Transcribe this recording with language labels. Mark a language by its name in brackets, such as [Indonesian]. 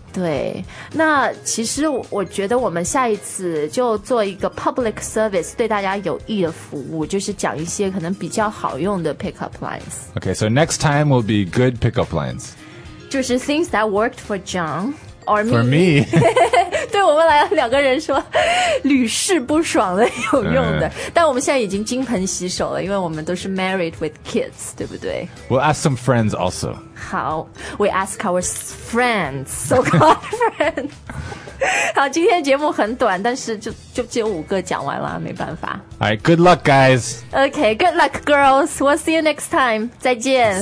[Chinese] 对，那其实我觉得我们下一次就做一个 public service 对大家有益的服务，就是讲一些可能比较好用的 pickup lines。 [English] Okay, so next time will be good pickup lines. [Chinese] 就是 [English] things that worked for John or me. For me. [Chinese] 对我们来两个人说屡试不爽的有用的、但我们现在已经金盆洗手了，因为我们都是 [English] married with kids, [Chinese] 对不对？ [English] We'll ask some friends also. [Chinese] 好， [English] we ask our friends, so-called friends. [Chinese] 好，今天节目很短，但是就只有五个讲完了，没办法。 [English] Alright, good luck guys. Okay, good luck girls. We'll see you next time. [Chinese] 再见。